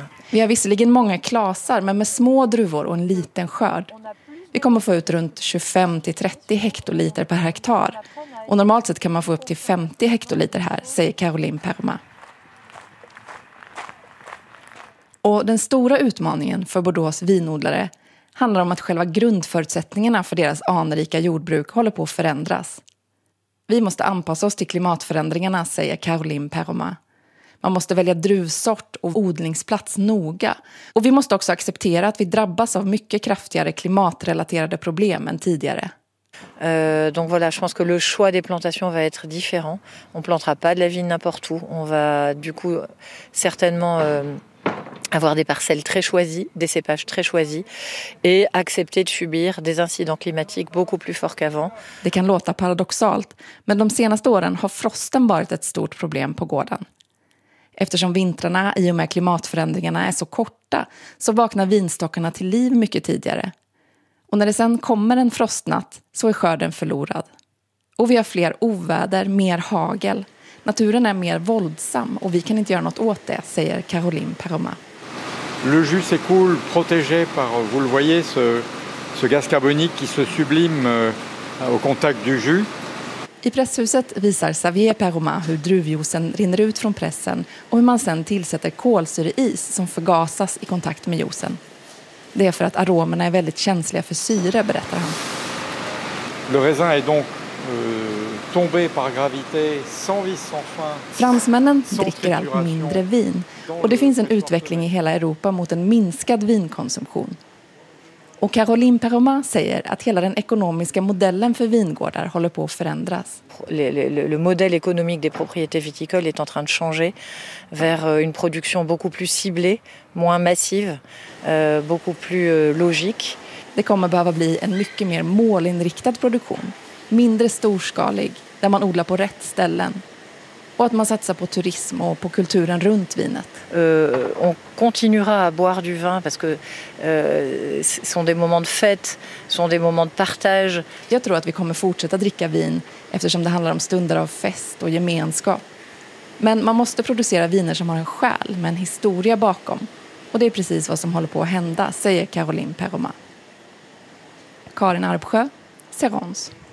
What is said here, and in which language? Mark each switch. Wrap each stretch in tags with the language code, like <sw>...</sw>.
<sv>Vi har visserligen många klasar, men med små druvor och en liten skörd. Vi kommer få ut runt 25-30 hektoliter per hektar. Och normalt sett kan man få upp till 50 hektoliter här, säger Caroline Perroma. Och den stora utmaningen för Bordeaux vinodlare handlar om att själva grundförutsättningarna för deras anrika jordbruk håller på att förändras. Vi måste anpassa oss till klimatförändringarna, säger Caroline Perroma. Man måste välja druvsort och odlingsplats noga. Och vi måste också acceptera att vi drabbas av mycket kraftigare klimatrelaterade problem än tidigare.</sv> <fr>Donc voilà, je pense que le choix des plantations va être différent. On plantera pas de la vigne n'importe où. On va du coup certainement avoir des parcelles très choisies, des cépages très choisis et accepter de subir des incidents climatiques beaucoup plus forts qu'avant.</fr> <sv>Det kan låta paradoxalt, men de senaste åren har frosten varit ett stort problem på gården. Eftersom vintrarna i och med klimatförändringarna är så korta så vaknar vinstockarna till liv mycket tidigare. Och när det sen kommer en frostnatt så är skörden förlorad. Och vi har fler oväder, mer hagel. Naturen är mer våldsam och vi kan inte göra något åt det, säger Caroline Perroma.</sv> <fr>Le jus s'écoule protégé par, vous le voyez, ce gaz carbonique qui se sublime au contact du jus.</fr> <sv>I presshuset visar Xavier Perroma hur druvjuicen rinner ut från pressen och hur man sen tillsätter kolsyreis som förgasas i kontakt med juicen. Det är för att aromerna är väldigt känsliga för syre, berättar han.</sv> <fr>Le raisin est donc tombé par gravité sans vis sans fin.</fr> <sv>Fransmännen dricker allt mindre vin och det finns en utveckling i hela Europa mot en minskad vinkonsumtion. Och Caroline Perroma säger att hela den ekonomiska modellen för vingårdar håller på att förändras.</sv> <fr>Le modèle économique des propriétés viticoles est en train de changer vers une production beaucoup plus ciblée, moins massive, beaucoup plus logique.</fr> <sv>Det kommer behöva bli en mycket mer målinriktad produktion, mindre storskalig, där man odlar på rätt ställen. Och att man satsar på turism och på kulturen runt vinet.</sv> <fr>On continuera à boire du vin parce que sont des moments de fête, sont des moments de partage.</fr> <sv>Jag tror att vi kommer fortsätta dricka vin eftersom det handlar om stunder av fest och gemenskap. Men man måste producera viner som har en själ med en historia bakom. Och det är precis vad som håller på att hända, säger Caroline Perroma. Karin Arbsjö, Serrans.</sv>